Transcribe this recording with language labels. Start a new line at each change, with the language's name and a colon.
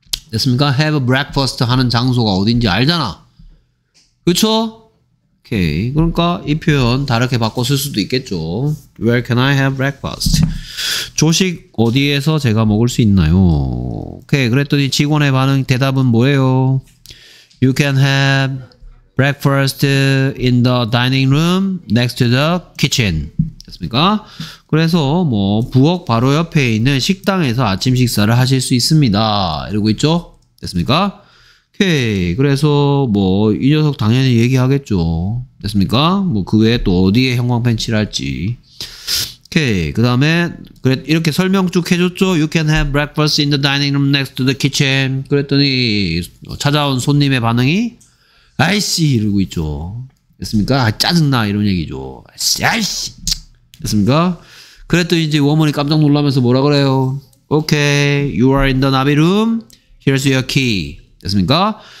Korean: 됐습니까? Have a breakfast 하는 장소가 어딘지 알잖아. 그쵸? 오케이. 그러니까 이 표현 다르게 바꿔 쓸 수도 있겠죠.
English: Where can I have breakfast?
Korean: 조식 어디에서 제가 먹을 수 있나요? 오케이. 그랬더니 직원의 반응 대답은 뭐예요?
English: You can have breakfast in the dining room next to the kitchen.
Korean: 됐습니까? 그래서 뭐 부엌 바로 옆에 있는 식당에서 아침 식사를 하실 수 있습니다. 이러고 있죠? 됐습니까? 오케이. 그래서 뭐 이 녀석 당연히 얘기하겠죠. 됐습니까? 뭐 그 외에 또 어디에 형광펜치를 할지. 오케이. 그 다음에 그래 이렇게 설명 쭉 해줬죠.
English: You can have breakfast in the dining room next to the kitchen.
Korean: 그랬더니 찾아온 손님의 반응이 아이씨 이러고 있죠. 됐습니까? 아, 짜증나 이런 얘기죠. 아이씨. 됐습니까? 그랬더니 이제 워머니 깜짝 놀라면서 뭐라 그래요?
English: Okay, you are in the navy room. Here's your key.
Korean: 됐습니까?